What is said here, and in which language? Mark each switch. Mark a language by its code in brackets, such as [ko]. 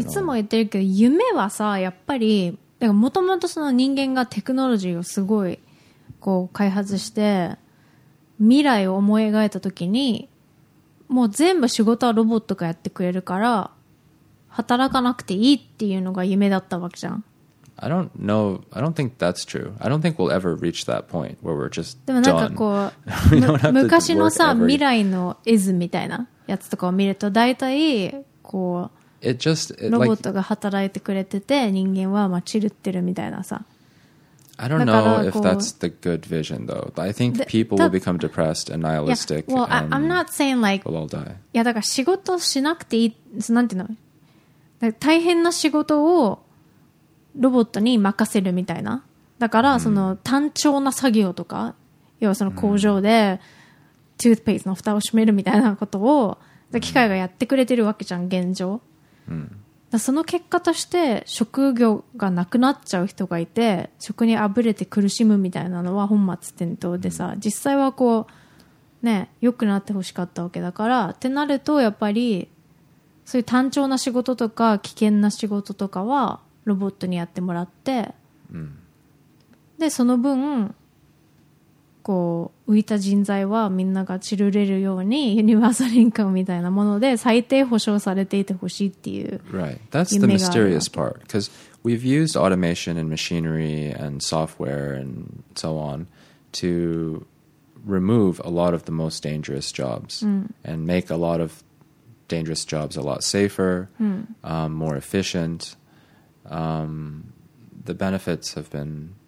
[ja] いつも言ってるけど、夢はさ、やっぱり、だからもともとその人間がテクノロジーをすごいこう開発して、未来を思い描いた時にもう全部仕事はロボットがやってくれるから働かなくていいっていうのが夢だったわけじゃん。 [en] I don't know. I don't think that's true. I don't think we'll ever reach that point where we're just done. [ja] でもなんかこう昔のさ未来の絵図みたいなやつとかを見るとだいたいこう [en] it just, it, [ja] ロボットが働いてくれてて人間はまあ散るってるみたいなさ。 [en] I don't know if that's the good vision, though. I think people will become depressed and nihilistic. Yeah, well, I'm not saying like we'll all die. [ja] Yeah, だから仕事しなくていい、なんていうの、大変な仕事をロボットに任せるみたいな。だからその単調な作業とか、要はその工場でトゥースペーストの蓋を閉めるみたいなことを機械がやってくれてるわけじゃん、現状。その結果として職業がなくなっちゃう人がいて職にあぶれて苦しむみたいなのは本末転倒でさ、実際はこうね良くなってほしかったわけだからってなるとやっぱりそういう単調な仕事とか危険な仕事とかはロボットにやってもらって、でその分こう浮いた人材はみんながちるれるようにユニバーサルインカムみたいなもので最低保障されていてほしいっていう夢がある。 [en] Right. That's the mysterious part. Because we've used automation and machinery and software and so on to remove a lot of the most dangerous jobs and make a lot of dangerous jobs a lot safer, more efficient. The benefits have been